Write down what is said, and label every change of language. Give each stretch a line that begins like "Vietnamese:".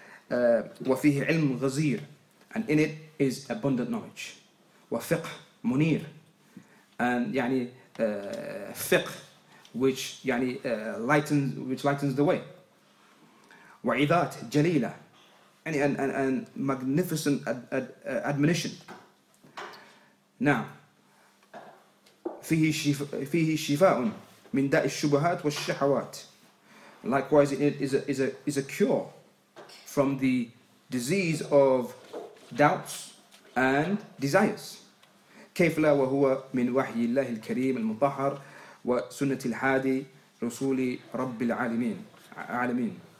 Arabic: وفيه علم غزير,
English: and in it is abundant knowledge.
Arabic: وفقه منير,
English: and يعني فقه which يعني lightens the way.
Arabic: وعيذات جليلة,
English: and magnificent admonition.
Arabic: Now, فيه شفاء من داء الشبهات والشهوات.
English: Likewise, it is a cure from the disease of doubts and desires.
Arabic: كيف لا وهو من وحي الله الكريم المطهر وسنة الحادي رسول رب العالمين.